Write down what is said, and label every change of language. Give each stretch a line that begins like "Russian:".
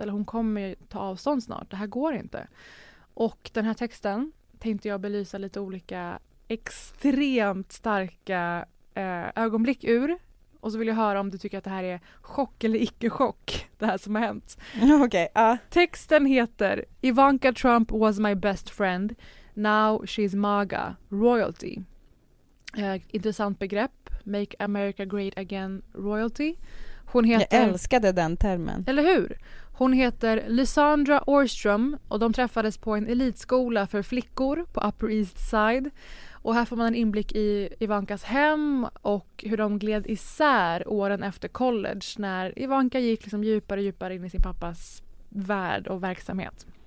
Swedish: Eller hon kommer ta avstånd snart. Det här går inte. Och den här texten tänkte jag belysa lite olika extremt starka ögonblick ur. Och så vill jag höra om du tycker att det här är chock eller icke-chock, det här som har hänt. Okej. Texten heter
English: Ivanka Trump was my best friend. Now she's MAGA, royalty.
Swedish: Intressant begrepp.
English: Make America great again, royalty.
Swedish: Hon heter, jag älskade den termen. Eller hur? Hon heter Lysandra Orstrom och de träffades på en elitskola för flickor på Upper East Side. Och här får man en inblick i Ivankas hem och hur de gled isär åren efter college när Ivanka gick liksom djupare och djupare in i sin pappas värld och verksamhet.